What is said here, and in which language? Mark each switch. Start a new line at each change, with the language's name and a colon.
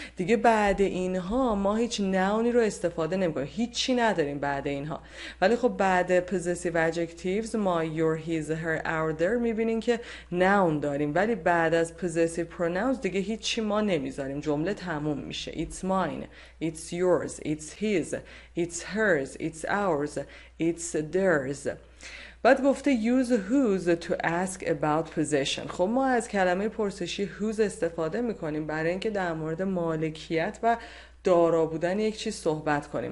Persian: دیگه بعد اینها ما هیچ نونی رو استفاده نمی کنیم. هیچی نداریم بعد اینها. ولی خب بعد possessive adjectives my, your, his, her, our, their میبینین که نون داریم. ولی بعد از possessive pronouns دیگه هیچی ما نمیذاریم. جمله تموم میشه.
English: It's mine, it's yours, it's his, it's hers, it's ours, it's theirs. بعد گفته use whose to ask about possession.
Persian: خب ما از کلمه پرسشی whose استفاده میکنیم برای اینکه در مورد مالکیت و دارا بودن یک چیز صحبت کنیم.